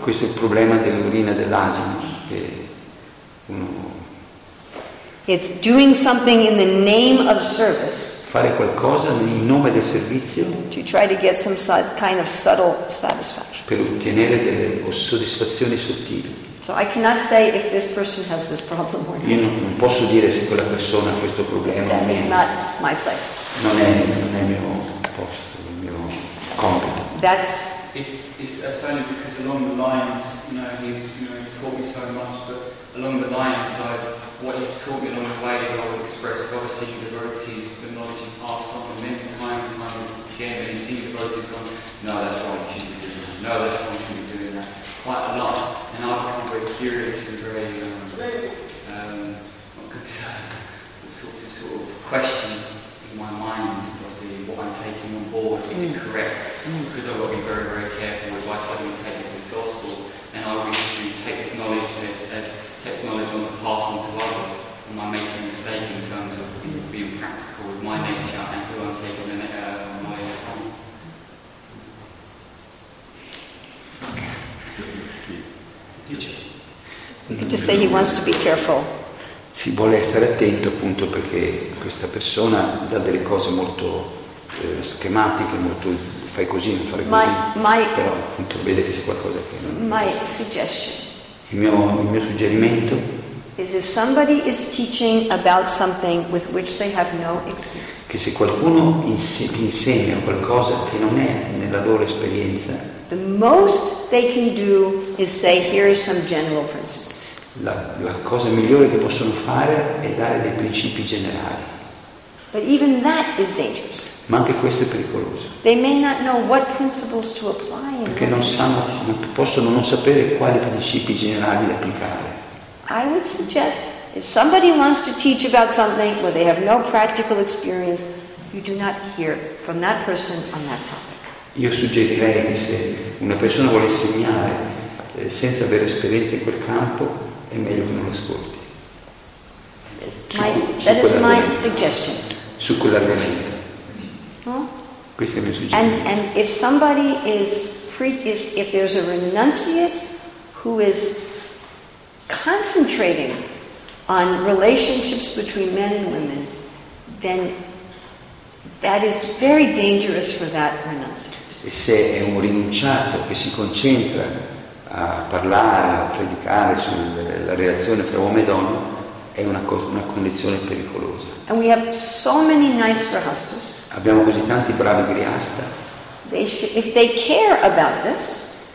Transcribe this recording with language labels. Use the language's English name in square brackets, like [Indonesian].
[Italian] Questo è il problema dell'urina dell'asino. [English] It's doing something in the name of service. [Italian] Fare qualcosa in nome del servizio. [English] To try to get some kind of subtle satisfaction. [Italian] Per ottenere delle soddisfazioni sottili. [English] So I cannot say if this person has this problem or not. [Italian] Io non posso dire se quella persona ha questo problema o meno. [English] That is not my place. [Italian] Non è il mio posto, il mio compito. [English] That's. It's only because along the lines, he's taught me so much, but along the lines, what he's taught me along the way, I would express. Obviously, the devotees, the knowledge he passed on, and many times, and he's seen the devotees gone, no, that's wrong, you shouldn't be doing that. No, that's wrong, you shouldn't be doing that. Quite a lot. And I've become very curious and very, not concerned, but sort of question in my mind, possibly what I'm taking on board, is it correct? Because I've got to be very, very careful with why suddenly take this as gospel, and I really should take this knowledge as technology on to pass on to others. Am I making a mistake in terms of being practical with my nature and who I'm taking the knowledge from? You just say he wants to be careful. [Italian] Si vuole stare attento appunto perché questa persona dà delle cose molto schematiche, molto fai così, non fare così. Però appunto vede che c'è qualcosa che non. [English] My suggestion. [Italian] Il mio suggerimento. [English] Is if somebody is teaching about something with which they have no experience. [Italian] Che se qualcuno insegna qualcosa che non è nella loro esperienza. [English] The most they can do is say, here is some general principle. [Italian] La cosa migliore che possono fare è dare dei principi generali. [English] But even that is dangerous. [Italian] Ma anche questo è pericoloso. [English] They may not know what principles to apply. [Italian] Perché non sanno, possono non sapere quali principi generali da applicare. [English] I would suggest if somebody wants to teach about something where they have no practical experience, you do not hear from that person on that topic. [Italian] Io suggerirei che se una persona vuole insegnare senza avere esperienza in quel campo, è meglio che non l'ascolti. [English] That is my suggestion. [Italian] Su quell'argomento. Questo è il mio suggerimento. [English] And if somebody is if there's a renunciate who is concentrating on relationships between men and women, then that is very dangerous for that renunciate. [Italian] E se è un rinunciato che si concentra a parlare, a predicare sulla relazione fra uomo e donna, è una condizione pericolosa. [English] And we have so many nice grihastas. [Italian] Abbiamo così tanti bravi grihasta. [English] If they care about this,